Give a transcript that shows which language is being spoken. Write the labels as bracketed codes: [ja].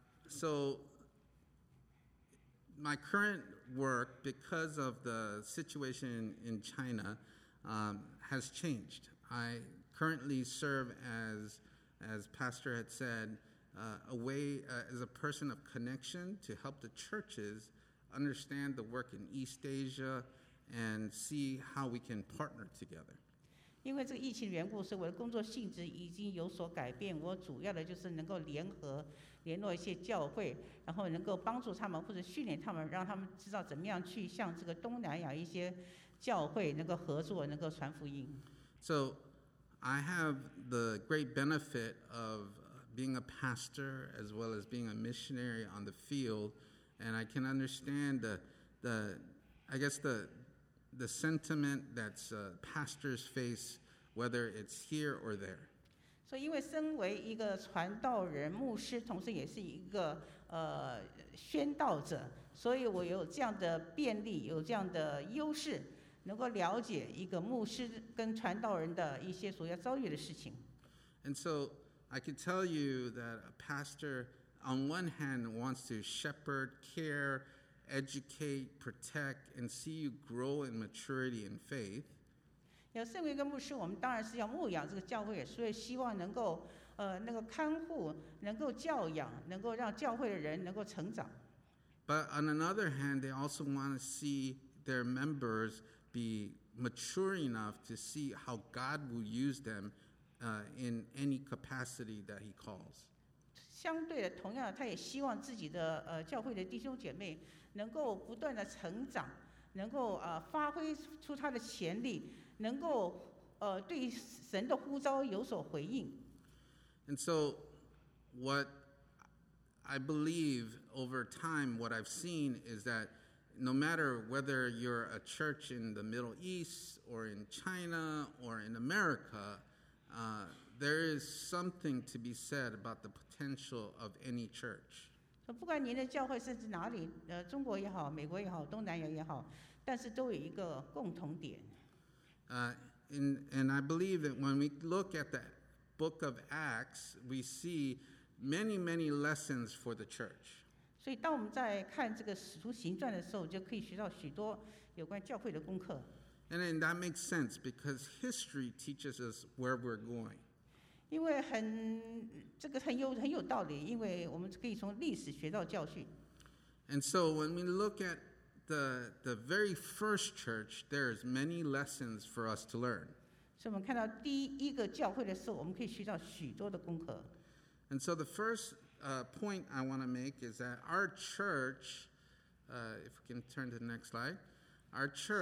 [en] So my current work, because of the situation in China, has changed. I currently serve as Pastor had said, as a person of connection to help the churches understand the work in East Asia and see how we can partner together. [zh] 因为这个疫情缘故，所以我的工作性质已经有所改变。我主要的就是能够联络一些教会，然后能够帮助他们或者训练他们，让他们知道怎么样去向这个东南亚一些教会能够合作，能够传福音。 [en] So,I have the great benefit of being a pastor as well as being a missionary on the field, and I can understand the sentiment that's pastors face, whether it's here or there. So, because [zh] 身为一个传道人、牧师，同时也是一个宣道者，所以我有这样的便利，有这样的优势。能够了解一个牧师跟传道人的一些所要遭遇的事情。 [en] And so I can tell you that a pastor, on one hand, wants to shepherd, care, educate, protect, and see you grow in maturity and faith. [zh] 要身为一个牧师，我们当然是要牧养这个教会，所以希望能够那个看护，能够教养，能够让教会的人能够成长。 [en] But on another hand, they also want to see their members. Be mature enough to see how God will use them in any capacity that He calls. [zh] 相对的，同样，他也希望自己的教会的弟兄姐妹能够不断的成长，能够发挥出他的潜力，能够对神的呼召有所回应。 [en] And so, what I believe over time, what I've seen is that. No matter whether you're a church in the Middle East or in China or in America, there is something to be said about the potential of any church. [zh] 不管您的教会是哪里，中国也好，美国也好，东南亚也好，但是都有一个共同点。 [en] And I believe that when we look at the book of Acts, we see many, many lessons for the church. [zh] 所以当我们在看这个《使徒行传》的时候，就可以学到许多有关教会的功课。 [en] And then that makes sense because history teaches us where we're going. [zh] 因为很有道理，因为我们可以从历史学到教训。 [en] And so when we look at the very first church, there's many lessons for us to learn. [zh] 所以我们看到第一个教会的时候，我们可以学到许多的功课。 [en] And so the firstpoint I want to make is that our church, if we can turn to the next slide, our church.